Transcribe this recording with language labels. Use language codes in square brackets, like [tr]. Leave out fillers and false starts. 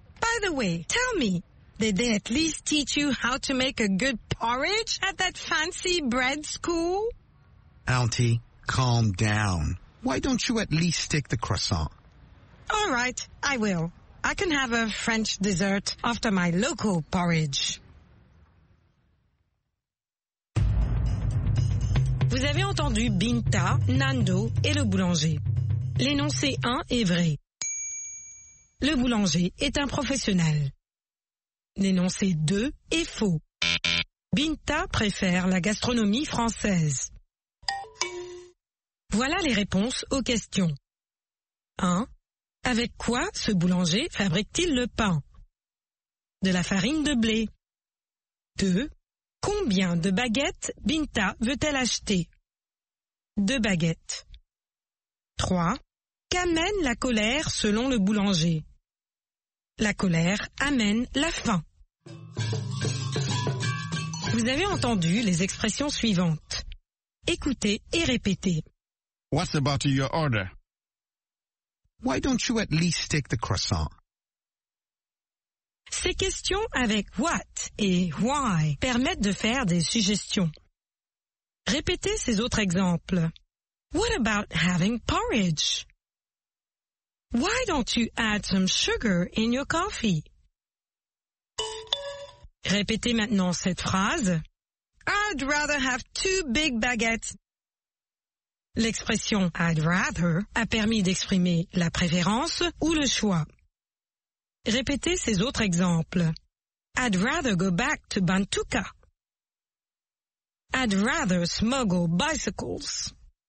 [en] By the way, tell me, did they at least teach you how to make a good porridge at that fancy bread school? Auntie, calm down. Why don't you at least take the croissant? All right, I will. I can have a French dessert after my local porridge. [fr] Vous avez entendu Binta, Nando et le boulanger. L'énoncé 1 est vrai. Le boulanger est un professionnel. L'énoncé 2 est faux. Binta préfère la gastronomie française. Voilà les réponses aux questions. 1. Avec quoi ce boulanger fabrique-t-il le pain? De la farine de blé. 2. Combien de baguettes Binta veut-elle acheter? 2 baguettes. 3. Qu'amène la colère selon le boulanger? La colère amène la faim. Vous avez entendu les expressions suivantes. Écoutez et répétez. [en] What's about your order? Why don't you at least take the croissant? [fr] Ces questions avec what et why permettent de faire des suggestions. Répétez ces autres exemples. [en] What about having porridge? Why don't you add some sugar in your coffee? [fr] Répétez maintenant cette phrase. [en] I'd rather have 2 big baguettes. [fr] L'expression « [en] I'd rather [fr] » a permis d'exprimer la préférence ou le choix. Répétez ces autres exemples. « [en] I'd rather go back to Bantuka. »« I'd rather smuggle bicycles. »